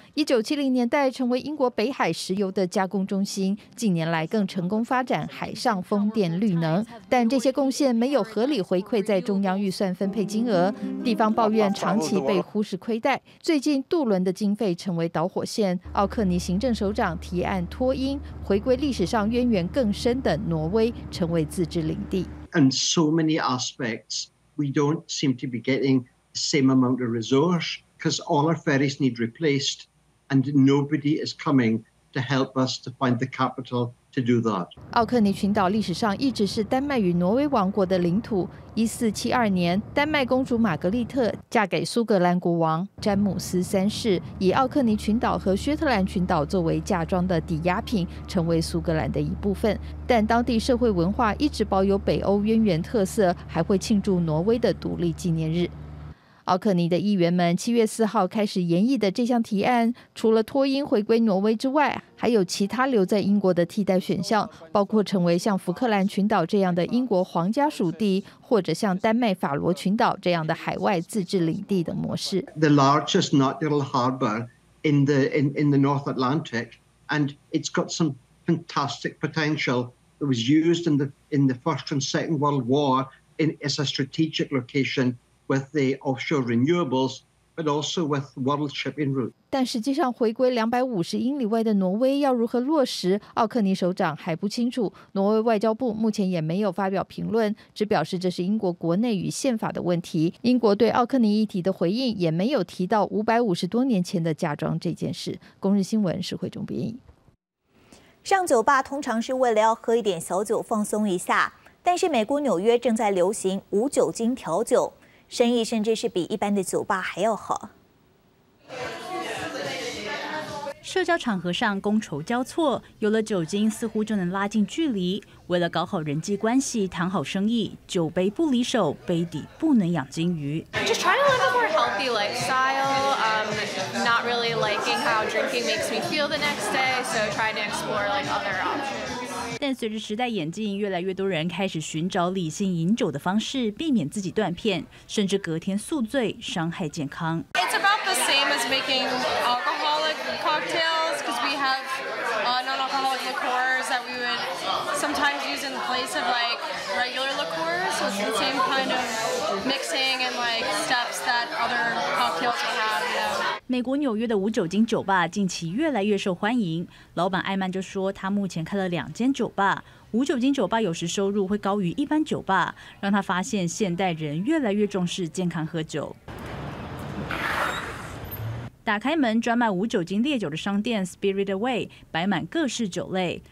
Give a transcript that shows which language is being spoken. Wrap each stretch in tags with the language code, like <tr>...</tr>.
<zh>1970年代成为英国北海石油的加工中心，近年来更成功发展海上风电绿能，但这些贡献没有合理回馈在中央预算分配金额，地方抱怨长期被忽视亏待。最近渡轮的经费成为导火线，奥克尼行政首长提案脱英，回归历史上渊源更深的挪威，成为自治领地。</zh> <en>And so many aspects, we don't seem to be getting the same amount of resource because all our ferries need replaced and nobody is coming to help us to find the capital to do that.</en> <zh>奥克尼群岛历史上一直是丹麦与挪威王国的领土。 1472年，丹麦公主玛格丽特嫁给苏格兰国王詹姆斯三世，以奥克尼群岛和薛特兰群岛作为嫁妆的抵押品，成为苏格兰的一部分。但当地社会文化一直保有北欧渊源特色，还会庆祝挪威的独立纪念日。奥克尼的议员们7月4号开始研议的这项提案，除了脱英回归挪威之外，还有其他留在英国的替代选项，包括成为像福克兰群岛这样的英国皇家属地，或者像丹麦法罗群岛这样的海外自治领地的模式。</zh> <en>The largest natural harbour in the North Atlantic, and it's got some fantastic potential. It was used in the First and Second World War as a strategic location. With the offshore renewables, but also with world shipping routes.</en> <zh>但实际上，回归250英里外的挪威要如何落实，奥克尼首长还不清楚。挪威外交部目前也没有发表评论，只表示这是英国国内与宪法的问题。英国对奥克尼议题的回应也没有提到550多年前的嫁妆这件事。公日新闻是汇总编译。上酒吧通常是为了要喝一点小酒放松一下，但是美国纽约正在流行无酒精调酒。生意甚至是比一般的酒吧还要好。社交场合上觥筹交错，有了酒精似乎就能拉近距离。为了搞好人际关系、谈好生意，酒杯不离手，杯底不能养金鱼。</zh> <en>Just trying to live a more healthy lifestyle. Not really liking how drinking makes me feel the next day, so trying to explore like other options.</en> <zh>但随着时代演进，越来越多人开始寻找理性饮酒的方式，避免自己断片，甚至隔天宿醉，伤害健康。</zh> <en>It's about the same as making alcoholic cocktails because we have non-alcoholic liqueurs that we would sometimes use in the place of like regular liqueur. So it's the same kind of mixing and like steps that other cocktails would have.</en> <zh>美国纽约的无酒精酒吧近期越来越受欢迎。老板艾曼就说，他目前开了两间酒吧，无酒精酒吧有时收入会高于一般酒吧，让他发现现代人越来越重视健康喝酒。打开门，专卖无酒精烈酒的商店 Spirit Away 摆满各式酒类。</zh>